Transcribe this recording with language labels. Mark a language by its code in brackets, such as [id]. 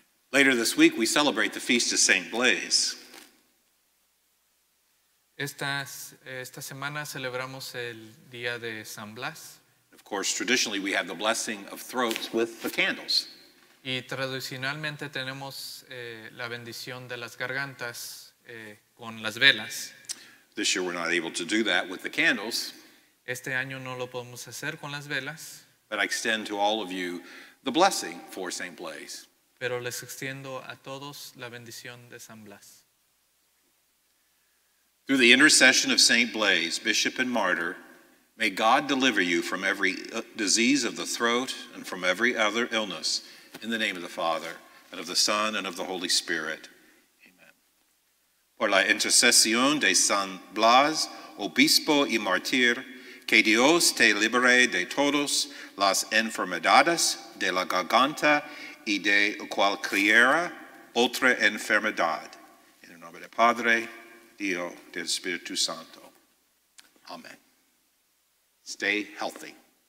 [en] Later this week, we celebrate the Feast of St. Blaise. [es] Esta semana celebramos el día de San Blas. [en] Of course, traditionally, we have the blessing of throats with the candles. [es] Y tradicionalmente tenemos la bendición de las gargantas con las velas. [en] This year, we're not able to do that with the candles. [es] Este año no lo podemos hacer con las velas. [en] But I extend to all of you the blessing for St. Blaise. [es] Pero les extiendo a todos la bendición de San Blas. [en] Through the intercession of St. Blaise, bishop and martyr, may God deliver you from every disease of the throat and from every other illness, in the name of the Father, and of the Son, and of the Holy Spirit. Amen. [es] Por la intercesión de San Blas, obispo y mártir, que Dios te libere de todos las enfermedades de la garganta y de cualquier otra enfermedad. En el nombre del Padre, Dios, del Espíritu Santo. Amen. [en] Stay healthy.